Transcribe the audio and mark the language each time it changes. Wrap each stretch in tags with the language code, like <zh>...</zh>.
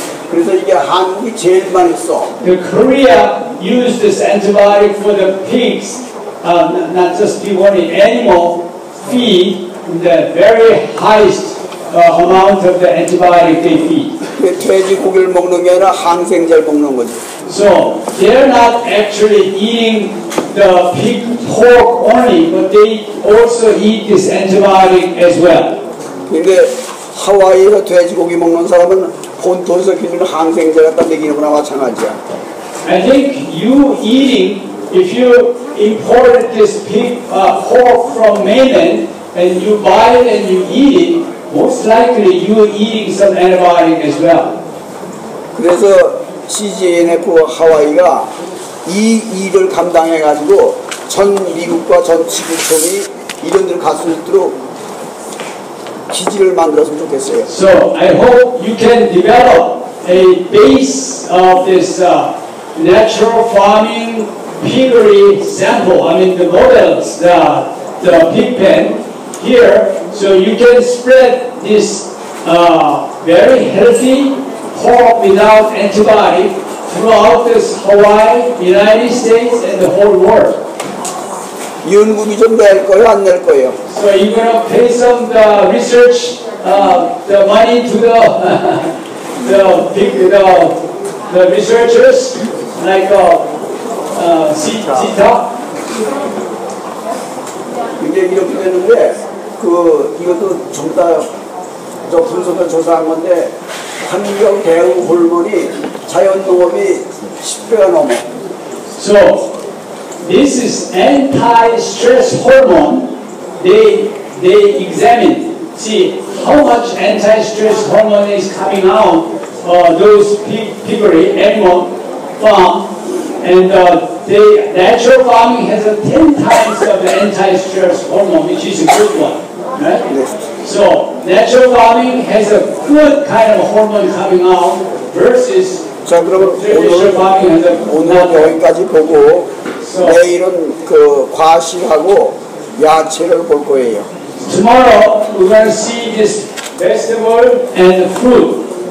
<ko>그래서 이게 한국이 제일 많이 써.</ko> <en>The Korea used this antibiotic for the pigs, not just the one in animal feed, in the very highest amount of the antibiotic they feed.</en> <ko>돼지 고기를 먹는 게 아니라 항생제를 먹는 거지.</ko> <en>So they're not actually eating the pig pork only, but they also eat this antibiotic as well.</en> <ko>근데 하와이에서 돼지고기 먹는 사람은 본토에서 기준 항생제가 딱 먹이는 거나 마찬가지야.</ko> <en>I think you eating, if you imported this pig pork from mainland and you buy it and you eat it, most likely you are eating some antibiotic as well.</en> <ko>그래서 CGNF 하와이가 이 일을 감당해 가지고 전 미국과 전 지구촌이 이런 데로 갈 수 있도록 기지를 만들었으면 좋겠어요.</ko> <en>So I hope you can develop a base of this natural farming piggery sample. I mean the models, the pig pen here, so you can spread this very healthy pork without antibiotic throughout this Hawaii, United States, and the whole world.</en> <ko>연구비 좀 낼 거예요, 안 낼 거예요?</ko> <en>So you gonna pay some the research, the money to the the big the researchers like Sita.</en> <ko>이게 이렇게 되는데 그 이것도 전부 다 저 분석을 조사한 건데. 환경 대응 호르몬이 자연 농업이 10배가 넘어.</ko> <en>So this is anti-stress hormone. They examine. See how much anti-stress hormone is coming out those piggery animal farm. And the natural farming has a 10 times of the anti-stress hormone, which is a good one. So natural farming has a good kind of hormone coming out versus traditional farming has a good one.</en> <ko>오늘 여기까지 보고 so, 내일은 그 과실하고 야채를 볼 거예요.</ko> <en>Tomorrow we're going to see this vegetable and fruit.</en>